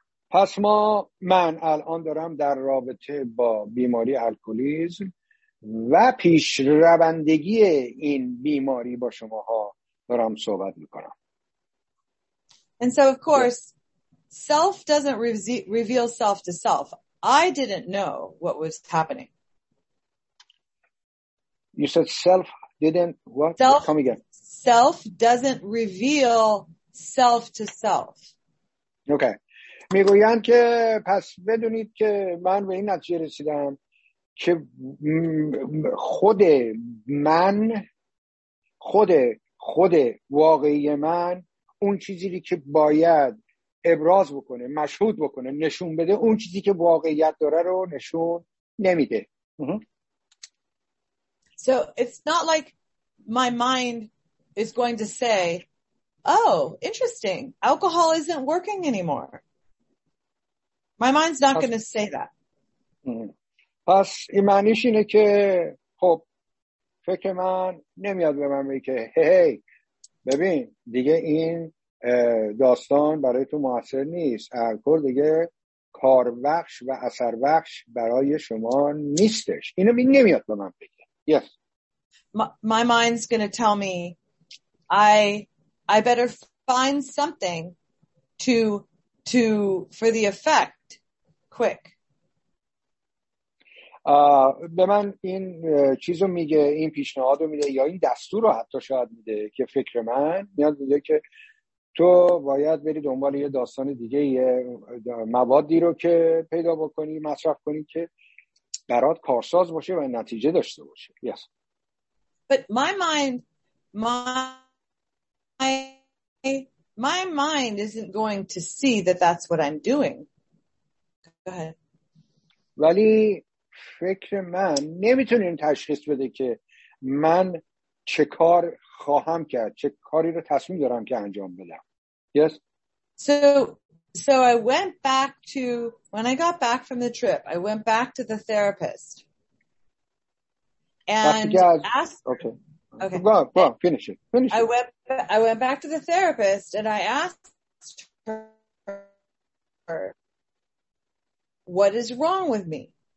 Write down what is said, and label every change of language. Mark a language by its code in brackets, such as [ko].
[fa] پس ما من الان دارم در رابطه با بیماری الکلیسم و پیش روندگی این بیماری با شماها دارم صحبت میکنم. [en] And so of course self doesn't reveal self to self. I didn't know what was happening. You said self didn't what? Self, come again. Self doesn't reveal self to self. Okay. [fa] میگویند که پس بدونید که من به این نتیجه رسیدم که خود من خود واقعی من اون چیزی که باید ابراز بکنه، مشهود بکنه، نشون بده، اون چیزی که واقعیت داره رو نشون نمیده. [en] So it's not like my mind is going to say, oh, interesting, alcohol isn't working anymore. My mind's not going to say that. [fa] پس این معنیش اینه که خب فکر من نمیاد به من بگه هی ببین دیگه این داستان برای تو مؤثر نیست، الکل دیگه کار بخش و اثر بخش برای شما نیستش. اینو نمیاد به من بگه. [en] Yes. My mind's going to tell me I better find something to for the effect quick. [fa] به من این چیزو میگه، این پیشنهادو میده یا این دستور رو حتی شاید میده که فکر من میاد میگه که تو باید بری دنبال یه داستان دیگه، یه موادی رو که پیدا بکنی مصرف کنی که برات کارساز باشه و نتیجه داشته باشه. [en] Yes. But my mind isn't going to see that that's what I'm doing. Go ahead. [fa] ولی فکر من نمیتونه این تشخیص بده که من چه کار خواهم کرد، چه کاری رو تصمیم دارم که انجام بدم. [en] Yes. So I went back to when I got back from the trip. I went back to the therapist and asked. Okay. Finish it. I went back to the therapist and I asked her, "What is wrong with me?"